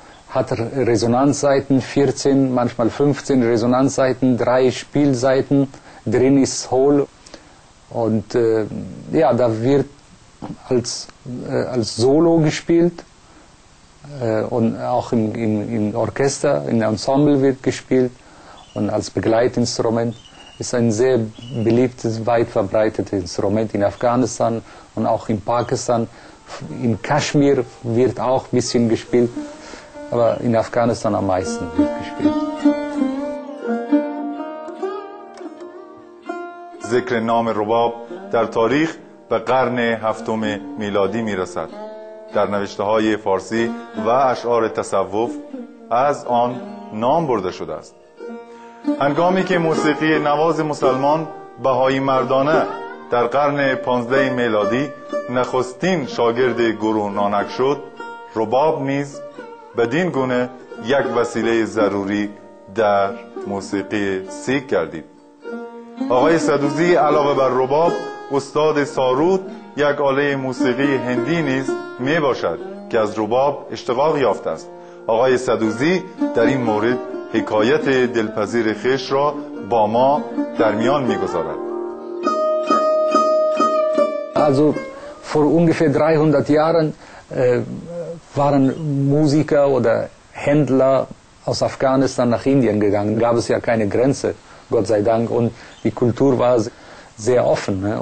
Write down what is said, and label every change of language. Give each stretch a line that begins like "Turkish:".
German: Hat Resonanzseiten 14, manchmal 15 Resonanzseiten, drei Spielseiten, drin ist hohl und ja, da wird als Solo gespielt und auch im Orchester, in Ensemble wird gespielt und als Begleitinstrument. Ist ein sehr beliebtes, weit verbreitetes Instrument in Afghanistan und auch in Pakistan. In Kaschmir wird auch ein bisschen gespielt, aber in Afghanistan am meisten wird gespielt.
Persian: ذکر نام رباب در تاریخ به قرن هفتم میلادی میرسد. در نوشته های فارسی و اشعار تصوف از آن نام برده شده است. هنگامی که موسیقی نواز مسلمان بهایی مردانه در قرن 15 میلادی نخستین شاگرد گروه نانک شد، رباب نیز بدین گونه یک وسیله ضروری در موسیقی سیک گردید. آقای صدوزی علاوه بر رباب، استاد ساروت یک آله موسیقی هندی نیز می باشد که از رباب اشتقاق یافته است. آقای صدوزی در این مورد حکایت دلپذیر خیش را با ما در میان می‌گذارد.
German: Also vor ungefähr 300 Jahren waren Musiker oder Händler aus Afghanistan nach Indien gegangen. Gab es ja keine Grenze, Gott sei Dank, und die Kultur war sehr offen, ne?